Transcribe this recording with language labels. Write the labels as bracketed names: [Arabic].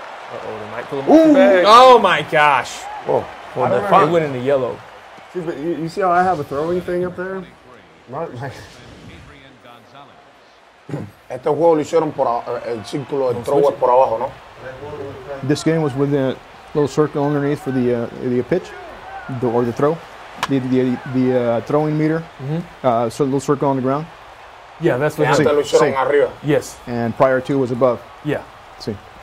[English] Oh my gosh. Whoa. Well, it went into yellow. See, but you see how I have a throwing thing up there? Right? [Spanish] Este juego lo hicieron por el círculo de thrower por abajo, ¿no? [English] This game was with a little circle underneath for the pitch, or the throw. The throwing meter, so a little circle on the ground. Yeah, that's what happened. [Spanish] Sí. [English] Yes. And prior to was above. Yeah. [Spanish] Sí.